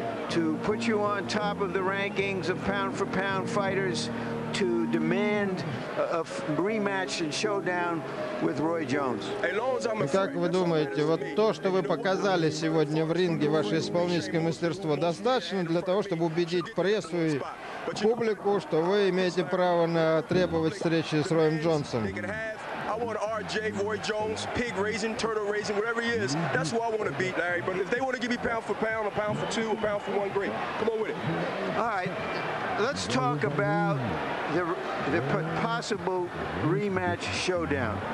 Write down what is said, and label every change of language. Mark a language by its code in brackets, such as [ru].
[en] To put you on top of the rankings of pound for pound fighters, to demand a rematch and showdown with Roy Jones. [ru] Как вы думаете, вот то, что вы показали сегодня в ринге, ваше исполнительское мастерство, достаточно для того, чтобы убедить прессу и публику, что вы имеете право на требовать встречи с Роем Джонсом? [en] I want RJ, Roy Jones, pig raising, turtle raising, whatever he is. That's who I want to beat, Larry. But if they want to give me pound for pound, a pound for two, a pound for one, great. Come on with it. All right. Let's talk about the possible rematch showdown.